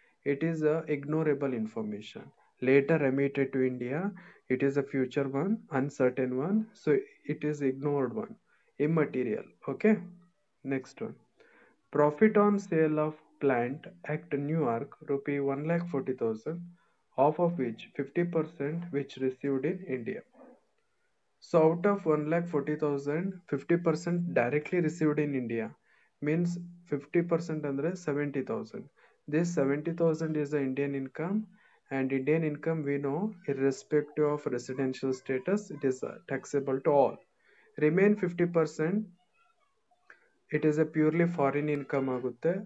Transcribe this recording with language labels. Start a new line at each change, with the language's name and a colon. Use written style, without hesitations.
English: It is a ignorable information. Later remitted to India, it is a future one, uncertain one. So it is ignored one, immaterial. Okay, next one profit on sale of plant at New York ₹1,40,000. Half of which, 50% which received in India. So out of 1,40,000, 50% directly received in India.
Kannada: Means 50% ಅಂದರೆ 70,000.
English: This 70,000 is a Indian income, and Indian income we know irrespective of residential status it is taxable to all. Remain 50% it is a purely foreign income ಆಗುತ್ತೆ.